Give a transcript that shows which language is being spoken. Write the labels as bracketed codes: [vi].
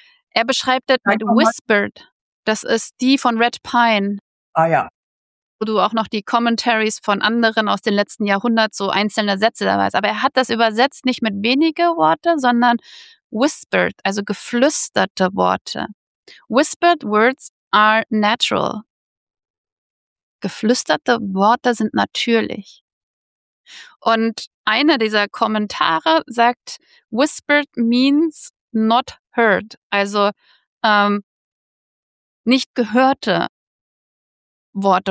[de] Er beschreibt es mit Whispered. Das ist die von Red Pine. Ah ja. Wo du auch noch die Commentaries von anderen aus den letzten Jahrhunderten, so einzelne Sätze da weißt. Aber er hat das übersetzt nicht mit wenige Worte, sondern whispered, also geflüsterte Worte. [en] Whispered words are natural. [de] Geflüsterte Worte sind natürlich. Und einer dieser Kommentare sagt, [en] whispered means not heard, [de] also nicht gehörte Worte.